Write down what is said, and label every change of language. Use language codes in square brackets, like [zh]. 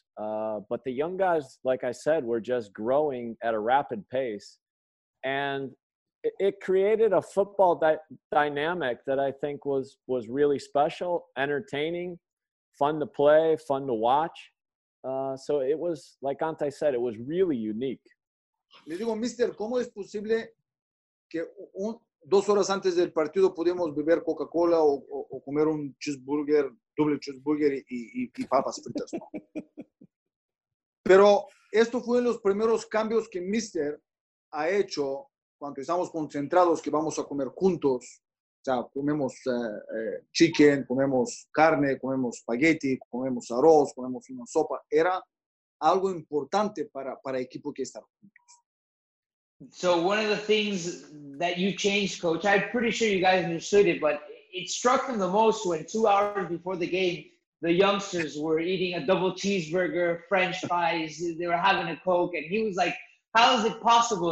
[en] But the young guys, like I said, were just growing at a rapid pace. And it created a football dynamic that I think was really special, entertaining, fun to play, fun to watch. So it was, like Ante said, it was really unique. [es] Le digo, Mister, ¿cómo es posible que dos horas antes del partido pudimos beber Coca-Cola o comer un cheeseburger, doble cheeseburger y papas fritas? Pero esto fue los primeros cambios que Mister ha hecho. Cuando estamos concentrados, que vamos a comer juntos, O sea, comemos chicken, comemos carne, comemos spaghetti, comemos arroz, comemos una sopa. Era algo importante para el equipo que estaba juntos. [en] So one of the things that you changed, Coach, I'm pretty sure you guys understood it, but it struck them the most when 2 hours before the game, the youngsters were eating a double cheeseburger, French fries, they were having a Coke, and he was like, how is it possible?